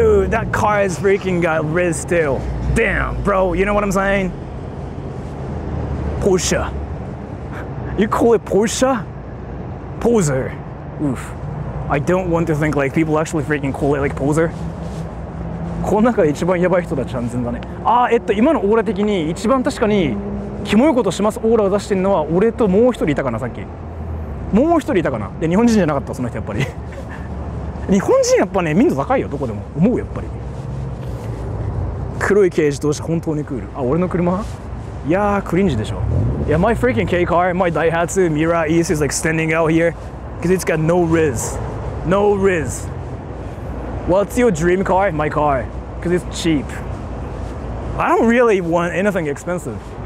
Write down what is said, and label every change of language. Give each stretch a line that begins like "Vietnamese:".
English: That car is freaking got Riz still. Damn, bro, you know what I'm saying? Porsche. You call it Porsche? Poser. Oof. I don't want to think like people actually freaking call it like poser.
Japanese: この中で一番ヤバい人だ、完全だね。ああ、今のオーラ的に一番確かにキモいことしますオーラを出してるのは俺ともう一人いたかな、さっき。もう一人いたかな。で、日本人じゃなかった、その人やっぱり。日本人やっぱね民度高いよ、どこでも思う。やっぱり黒い軽自動車本当にクール。あ、俺の車、いやクリンジでしょ。
English: Yeah, my freaking K car, my Daihatsu Mira East is like standing out here because it's got no Riz. No Riz. What's your dream car? My car, because it's cheap. I don't really want anything expensive.